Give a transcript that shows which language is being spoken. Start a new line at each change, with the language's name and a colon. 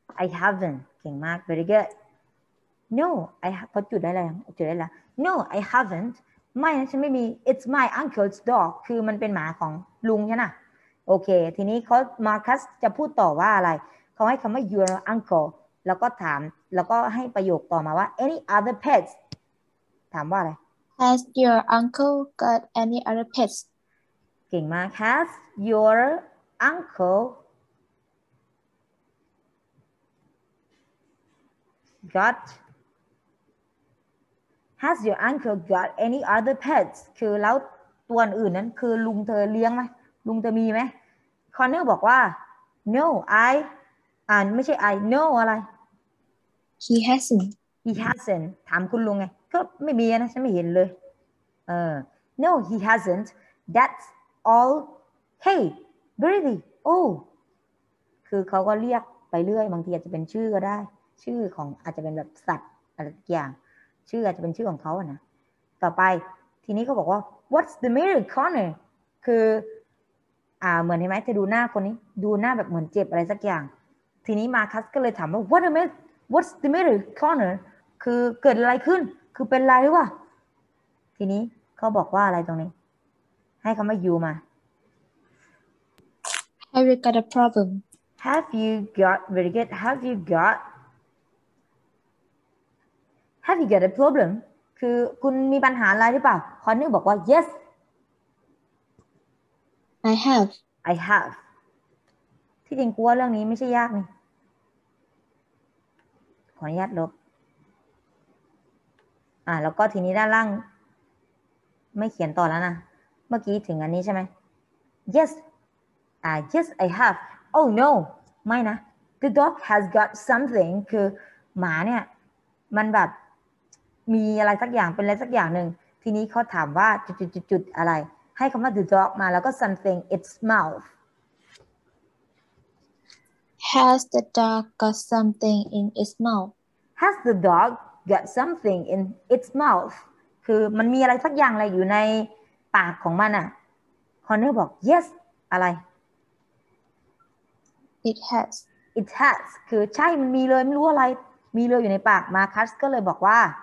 Thai: I haven't เก่งมาก Very good No I เขาจุดได้แล้วจุดได้แล้ว
English: No I haven't
Thai: ไม่นะฉันไม่มี
English: It's my uncle's dog
Thai: คือมันเป็นหมาของลุงใช่ไหมโอเคทีนี้เขา Marcus จะพูดต่อว่าอะไรเขาให้คำว่า your uncle แล้วก็ถามแล้วก็ให้ประโยคต่อมาว่า
English: Any other pets
Thai: ถามว่าอะไร
English: Has your uncle got any other pets?
Thai: เก่งมาก
English: Has your uncle got Has your uncle got any other pets?
Thai: คือแล้วตัวอื่นนั้นคือลุงเธอเลี้ยงไหมลุงเธอมีไหม Connor บอกว่า No I ไม่ใช่ I No อะไร
English: He hasn't
Thai: He hasn't ถามคุณลุงไงก็ไม่มีนะฉันไม่เห็นเลย
English: No he hasn't
Thai: That's all Hey Really Oh คือเขาก็เรียกไปเรื่อยบางทีอาจจะเป็นชื่อก็ได้ชื่อของอาจจะเป็นแบบสัตว์อะไรอย่างชื่ออาจจะเป็นชื่อของเขาอะนะต่อไปทีนี้เขาบอกว่า
English: What's the matter Connor
Thai: คือ เหมือนใช่ไหมจะดูหน้าคนนี้ดูหน้าแบบเหมือนเจ็บอะไรสักอย่างทีนี้มาคัสก็เลยถามว่า
English: What's the matter Connor
Thai: คือเกิดอะไรขึ้นคือเป็นไรหรือเปล่าทีนี้เขาบอกว่าอะไรตรงนี้ให้คำว่า you มา
English: Have you got a problem? Have you got very good? Have you got Have you got a problem?
Thai: คือคุณมีปัญหาอะไรหรือเปล่าคอนนี่บอกว่า yes
English: I have
Thai: ที่จริงกลัวเรื่องนี้ไม่ใช่ยากนี่ขออนุญาตลบแล้วก็ทีนี้ด้านล่างไม่เขียนต่อแล้วนะเมื่อกี้ถึงอันนี้ใช่ไหม Yes Yes I have Oh no ไม่นะ
English: The dog has got something
Thai: คือหมาเนี่ยมันแบบมีอะไรสักอย่างเป็นอะไรสักอย่างหนึ่งทีนี้เขาถามว่าจุดๆๆอะไรให้คำว่า the dog มาแล้วก็ something its mouth
English: Has the dog got something in its mouth Has the doggot something in its mouth
Thai: คือมันมีอะไรสักอย่างอะไรอยู่ในปากของมันอ่ะคอนเนอร์บอก yes อะไร
English: it has
Thai: คือใช่มันมีเลยไม่รู้อะไรมีเลยอยู่ในปากมาคัสก็เลยบอกว่า